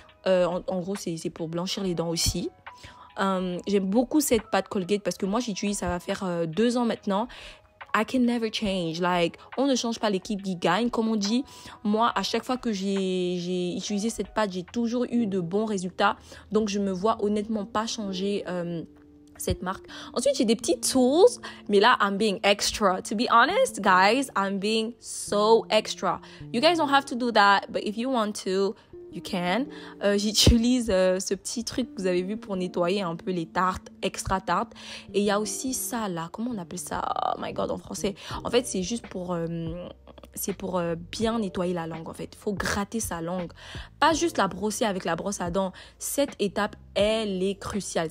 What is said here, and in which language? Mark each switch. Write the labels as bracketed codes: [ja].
[fr] En gros, c'est pour blanchir les dents aussi. J'aime beaucoup cette pâte Colgate parce que moi, j'utilise, ça va faire 2 ans maintenant. [en] I can never change. Like, [fr] on ne change pas l'équipe qui gagne, comme on dit. Moi, à chaque fois que j'ai utilisé cette pâte, j'ai toujours eu de bons résultats. Donc, je me vois honnêtement pas changer cette marque. Ensuite, j'ai des petits tools. Mais là, [en] I'm being extra. To be honest, guys, I'm being so extra. You guys don't have to do that, but if you want to... You can. [fr] J'utilise ce petit truc que vous avez vu pour nettoyer un peu les tartes, extra tartes. Et il y a aussi ça là. Comment on appelle ça? [en] Oh my god, [fr] en français. En fait, c'est juste pour... C'est pour bien nettoyer la langue, en fait. Il faut gratter sa langue. Pas juste la brosser avec la brosse à dents. Cette étape, elle est cruciale.